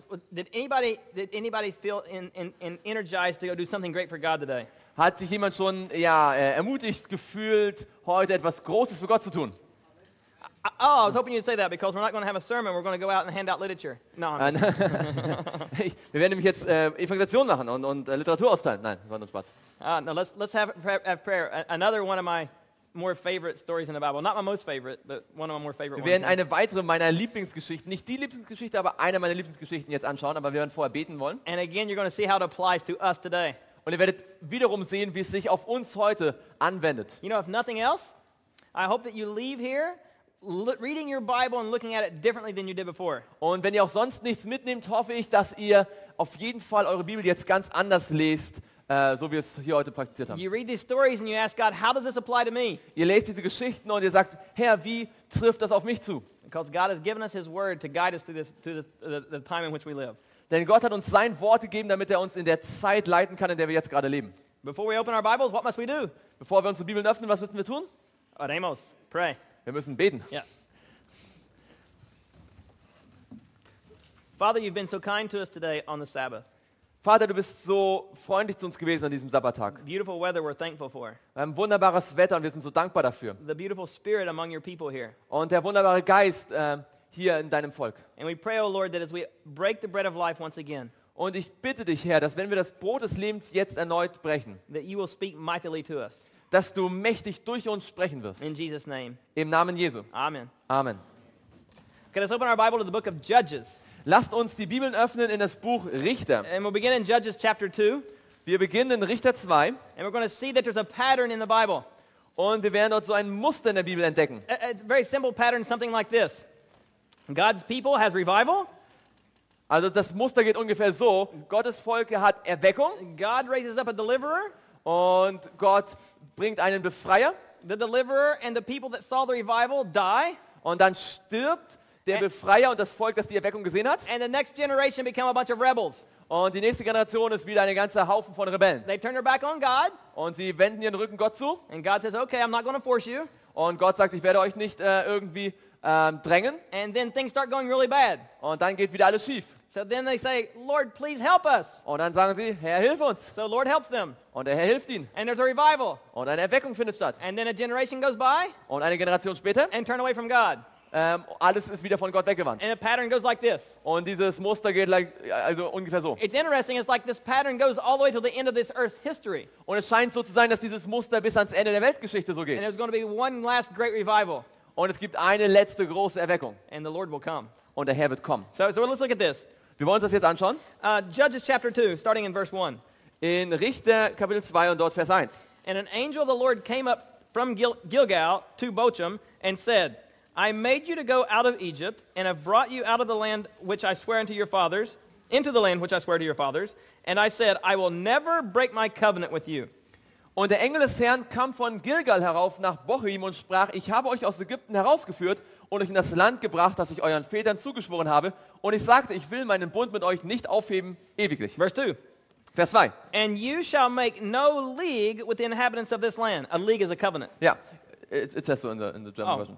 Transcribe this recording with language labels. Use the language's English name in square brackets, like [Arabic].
[English] Did anybody feel in energized to go do something great for God today? [German] Hat sich jemand schon ermutigt gefühlt, heute etwas Großes für Gott zu tun? [English] Oh, I was hoping you'd say that because we're not going to have a sermon. We're going to go out and hand out literature. No. [German] Wir werden nämlich jetzt Evangelisation machen und Literatur austeilen. Nein, war nur Spaß. [English] No, let's have prayer. Another one of my more favorite stories in the Bible. Not my most favorite, but one of my more favorite. [German] Wir werden eine weitere meiner Lieblingsgeschichten, nicht die Lieblingsgeschichte, aber eine meiner Lieblingsgeschichten jetzt anschauen. Aber wir werden vorher beten wollen. [English] And again, you're going to see how it applies to us today. [German] Und ihr werdet wiederum sehen, wie es sich auf uns heute anwendet. [English] You know, if nothing else, I hope that you leave here reading your Bible and looking at it differently than you did before. [German] Und wenn ihr auch sonst nichts mitnehmt, hoffe ich, dass ihr auf jeden Fall eure Bibel jetzt ganz anders lest, so wie wir es hier heute praktiziert haben. [English] You read these stories and you ask God, how does this apply to me? [German] Ihr lest diese Geschichten und ihr sagt, Herr, wie trifft das auf mich zu? [English] Because God has given us His Word to guide us through this, through the time in which we live. [German] Denn Gott hat uns sein Wort gegeben, damit er uns in der Zeit leiten kann, in der wir jetzt gerade leben. [English] Before we open our Bibles, what must we do? [German] Bevor wir unsere Bibeln öffnen, was müssen wir tun? [English] Amos, pray. [German] Wir müssen beten. [English] Yeah. Father, you've been so kind to us today on the Sabbath. [German] Vater, du bist so freundlich zu uns gewesen an diesem Sabbattag. [English] Beautiful weather we're thankful for. [German] Ein wunderbares Wetter und wir sind so dankbar dafür. [English] The beautiful spirit among your people here. [German] Und der wunderbare Geist hier in deinem Volk. [English] And we pray, O Lord, that as we break the bread of life once again. [German] Und ich bitte dich, Herr, dass wenn wir das Brot des Lebens jetzt erneut brechen, [English] that you will speak mightily to us. [German] Dass du mächtig durch uns sprechen wirst. [English] In Jesus' name. [German] Im Namen Jesu. [English] Amen. [German] Amen. [English] Okay, let's open our Bible to the book of Judges. [German] Lasst uns die Bibeln öffnen in das Buch Richter. [English] And we'll begin in Judges chapter 2. [German] Wir beginnen in Richter 2. [English] And we're going to see that there's a pattern in the Bible. [German] Und wir werden dort so ein Muster in der Bibel entdecken. [English] A very simple pattern, something like this. God's people has revival. [German] Also das Muster geht ungefähr so. Gottes Volke hat Erweckung. [English] God raises up a deliverer. [German] Und Gott bringt einen Befreier. [English] The deliverer and the people that saw the revival die. [German] Und dann stirbt der Befreier und das Volk, das die Erweckung gesehen hat. [English] And the next generation become a bunch of rebels. [German] Und die nächste Generation ist wieder ein ganzer Haufen von Rebellen. [English] They turn their back on God. [German] Und sie wenden ihren Rücken Gott zu. [English] And God says, okay, I'm not going to force you. [German] Und Gott sagt, ich werde euch nicht irgendwie drängen. [English] And then things start going really bad. [German] Und dann geht wieder alles schief. [English] So then they say, Lord, please help us. [German] Und dann sagen sie, Herr, hilf uns. [English] So Lord helps them. [German] Und der Herr hilft ihnen. [English] And there's a revival. [German] Und eine Erweckung findet statt. [English] And then a generation goes by. [German] Und eine Generation später. [English] And turn away from God. [German] Alles ist wieder von Gott weggewandt. [English] And a pattern goes like this. [German] Und dieses Muster geht like, also ungefähr so. [English] It's interesting. It's like this pattern goes all the way to the end of this earth's history. [German] Und es scheint so zu sein, dass dieses Muster bis ans Ende der Weltgeschichte so geht. [English] And there's going to be one last great revival. [German] Und es gibt eine letzte große Erweckung. [English] And the Lord will come. [German] Und der Herr wird kommen. [English] So let's look at this. [German] Wir wollen uns das jetzt anschauen. [English] Judges chapter 2, starting in verse 1. [German] In Richter Kapitel 2 und dort Vers 1. [English] And an angel of the Lord came up from Gilgal to Bochim and said, I made you to go out of Egypt and have brought you out of the land which I swear unto your fathers, into the land which I swear to your fathers. And I said, I will never break my covenant with you. [German] Und der Engel des Herrn kam von Gilgal herauf nach Bochim und sprach, ich habe euch aus Ägypten herausgeführt und euch in das Land gebracht, das ich euren Vätern zugeschworen habe. Und ich sagte, ich will meinen Bund mit euch nicht aufheben, ewiglich. [English] Verse 2. [German] Vers 2. [English] And you shall make no league with the inhabitants of this land. A league is a covenant. Ja, it says so in the German version.